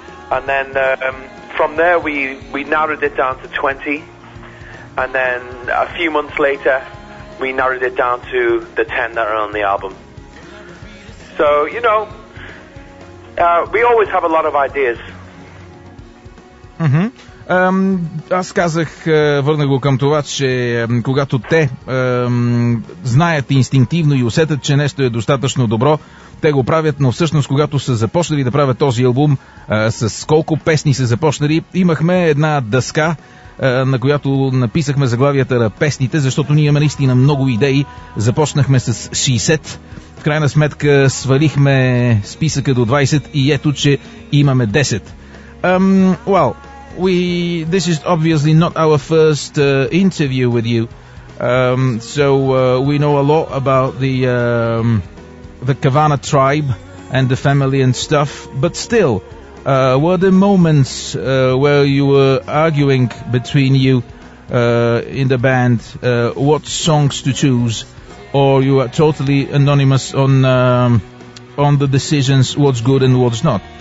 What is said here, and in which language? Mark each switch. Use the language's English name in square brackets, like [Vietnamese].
[English] And then from there we narrowed it down to 20. And then a few months later we narrowed it down to the 10 that are on the album. So, you know, we always have a lot of ideas. Mm-hmm. [Bulgarian] Аз казах, върнах го към това, че когато те знаят инстинктивно и усетят, че нещо е достатъчно добро, те го правят, но всъщност, когато са започнали да правят този албум, с колко песни са започнали, имахме една дъска, на която написахме заглавията на песните, защото ние имаме наистина много идеи. Започнахме с 60, в крайна сметка свалихме списъка до 20 и ето, че имаме 10. [English] This is obviously not our first interview with you, we know a lot about the Kavana tribe and the family and stuff, but still, were there moments where you were arguing between you in the band what songs to choose, or you were totally anonymous on the decisions what's good and what's not?